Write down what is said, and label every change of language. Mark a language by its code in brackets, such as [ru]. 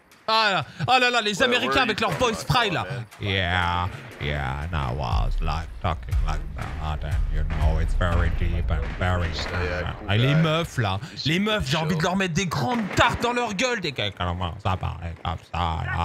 [fr] Ah, oh là là, les Américains avec leur voice fry là. [en] Yeah, yeah, and I was like talking like that, and you know it's very deep and very. [fr] Ah, les meufs là, les meufs, j'ai envie de leur mettre des grandes tartes dans leur gueule dès qu'elles commencent à parler comme ça.